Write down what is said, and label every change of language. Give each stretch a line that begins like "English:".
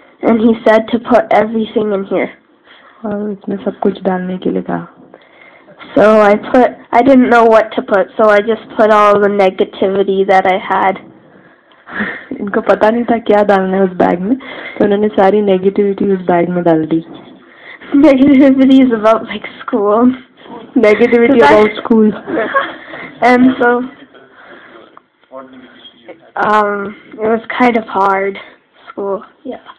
English: And he said to put everything in here.
Hindi: और इसमें सब कुछ डालने के लिए कहा.
English: So I didn't know what to put, so I just put all the negativity that I had.
Hindi: इनको पता नहीं था क्या डालना है उस बैग में, तो उन्होंने सारी नेगेटिविटी उस बैग में डाल दी.
English: Negativity is about like school. Negativity about school. And so. It was kind of hard, school, yeah.